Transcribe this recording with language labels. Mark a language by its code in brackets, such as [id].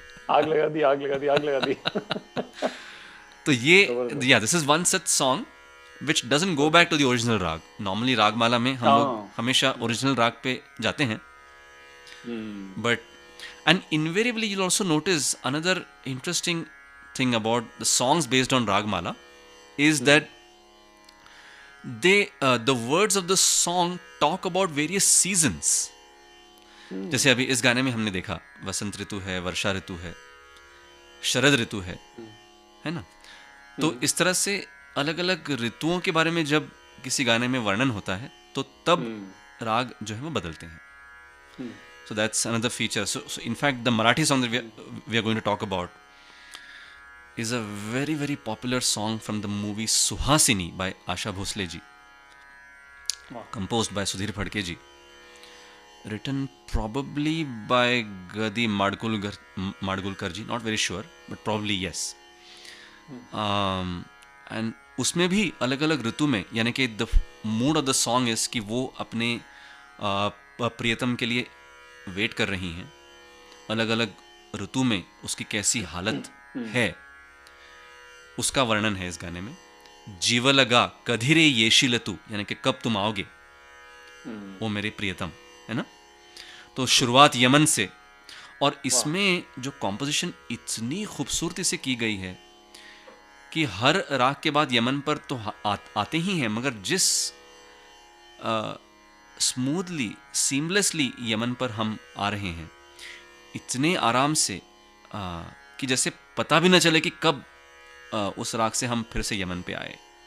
[hi] आग लगा दी आग लगा दी आग लगा दी. तो ये [en] या this is one such song which doesn't go back to the original raga. [hi] नॉर्मली रागमाला में हम लोग हमेशा ओरिजिनल राग पे जाते हैं. [en] But and invariably you'll also notice another interesting thing about the songs based on ragmala is that they the words of the song talk about various seasons. [hi] जैसे अभी इस गाने में हमने देखा वसंत ऋतु है वर्षा ऋतु है शरद ऋतु है ना. तो इस तरह से अलग अलग ऋतुओं के बारे में जब किसी गाने में वर्णन होता है तो तब राग जो है वो बदलते हैं. [en] So that's another feature. So in fact, the Marathi song that we are going to talk about is a very, very popular song from the movie Suhasini by Asha Bhosle ji. Composed by Sudhir Phadke ji. Written probably by Gadi Madgulkar ji. Not very sure, but probably yes. And [hi] usme bhi alag-alag ritu mein, yani ke [en] the mood of the song is [hi] ki wo apne priyatam ke liye wait कर रही हैं अलग अलग ऋतु में उसकी कैसी हालत है उसका वर्णन है इस गाने में. [mr] जीवलगा कधिरे येशील तू [hi] यानी कि कब तुम आओगे वो मेरे प्रियतम है ना. तो शुरुआत यमन से और इसमें जो कॉम्पोजिशन इतनी खूबसूरती से की गई है कि हर राग के बाद यमन पर तो आते ही हैं मगर जिस स्मूथली सीमलेसली यमन पर हम आ रहे हैं इतने आराम से कि जैसे पता भी ना चले कि कब उस राग से हम फिर से यमन पे आए.